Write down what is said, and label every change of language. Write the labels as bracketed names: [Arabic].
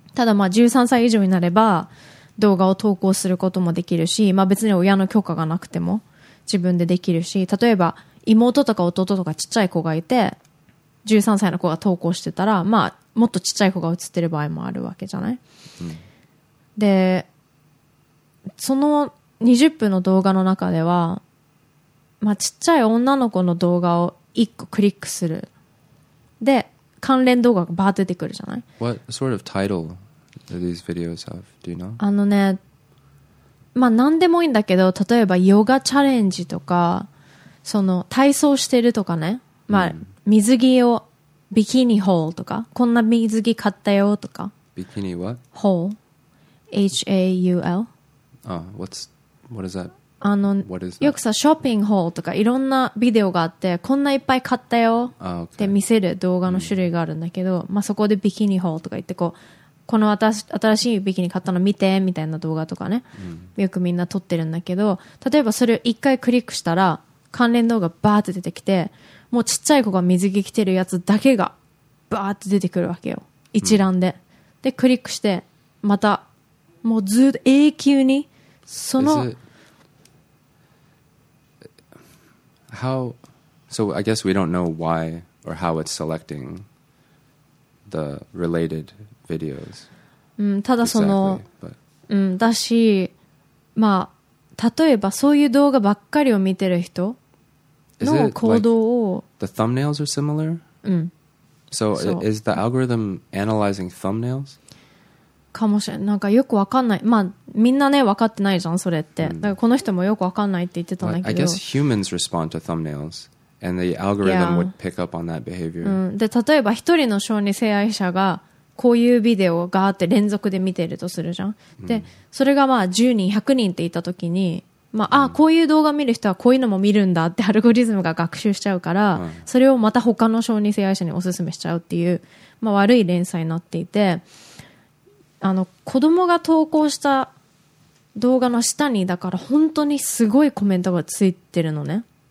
[Japanese] ただまあ13歳以上になれば動画を投稿することもできるし、まあ別に親の許可がなくても自分でできるし、例えば、妹とか弟とかちっちゃい子がいて13歳の子が投稿してたら、まあもっとちっちゃい子が写ってる場合もあるわけじゃない、うん、でその20分の動画の中では、まあ、ちっちゃい女の子の動画を1個クリックする、で関連動画がバーッ出てくるじゃない。 [English] What sort of title do these videos have? Do you know? [Japanese] あのね、まあ何でもいいんだけど、例えばヨガチャレンジとか、その体操してるとかね、まあ水着をビキニホールとか、こんな水着買ったよとか。ビキニは？ホール、H-A-U-L。 [English] あ、what's what is that？ [Japanese] あの、 [English] what is that？ [Japanese] よくさ、ショッピングホールとかいろんなビデオがあって、こんないっぱい買ったよって見せる動画の種類があるんだけど、まあそこでビキニホールとか言ってこう、この新しいビキニ買ったの見てみたいな動画とかね、よくみんな撮ってるんだけど、例えばそれを一回クリックしたら。関連動画バーって出てきて、もうちっちゃい子が水着着てるやつだけがバーって出てくるわけよ、一覧で、うん、でクリックしてまたもうずっと永久にその。 [English] How so? I guess we don't know why or how it's selecting the related videos、 [Japanese] うん、ただその [English] exactly, but... [Japanese] うんだし、まあ例えばそういう動画ばっかりを見てる人 [English] Is it like the thumbnails are similar? [Japanese] うん。 [English] So is the algorithm analyzing thumbnails? [Japanese] かもしれない。なんかよくわかんない。まあみんなねわかってないじゃんそれって。だからこの人もよくわかんないって言ってたんだけど。 [English] I guess humans respond to thumbnails and the algorithm would pick up on that behavior. [Japanese] で例えば一人の小児性愛者がこういうビデオがあって連続で見てるとするじゃん。でそれがまあ10人100人って言った時に。まあ、あこういう動画見る人はこういうのも見るんだってアルゴリズムが学習しちゃうから、それをまた他の小児性愛者におすすめしちゃうっていう、まあ、悪い連鎖になっていて、あの子供が投稿した動画の下にだから本当にすごいコメントがついてるのね。